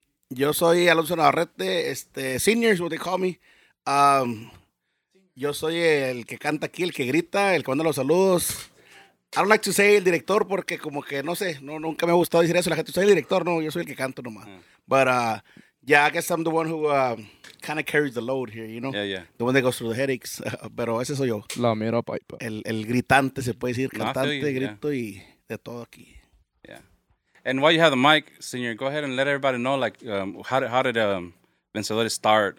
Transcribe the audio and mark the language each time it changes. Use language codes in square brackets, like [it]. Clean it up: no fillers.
[es] Yo soy [en] Alonso Navarrete, senior is what they call me. [es] Yo soy el que canta aquí, el que grita, el que manda los saludos. [en] I don't like to say [es] el director porque como que no sé, no, nunca me ha gustado decir eso. La gente, soy el director, no, yo soy el que canto nomás. [en] But I guess I'm the one who kind of carries the load here, you know? Yeah. The one that goes through the headaches. [es] Pero ese soy yo. La mera pipa. El gritante, se puede decir. Cantante, grito y de todo aquí. [en] Yeah. And while you have the mic, senior, go ahead and let everybody know, how did Vencedores start?